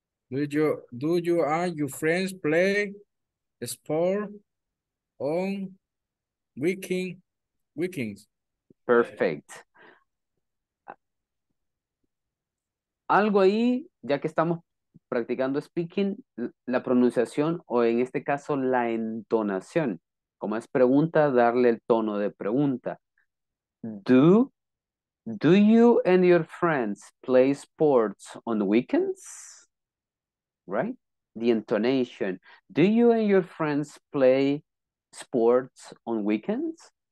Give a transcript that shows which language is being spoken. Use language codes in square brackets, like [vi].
[en] Do you and your friends play sport on weekends? Perfect. [es] Algo ahí, ya que estamos practicando speaking, la pronunciación o en este caso la entonación. Como es pregunta, darle el tono de pregunta. [en] Do you and your friends play sports on the weekends? Right? The intonation. Do you and your friends play sports on weekends?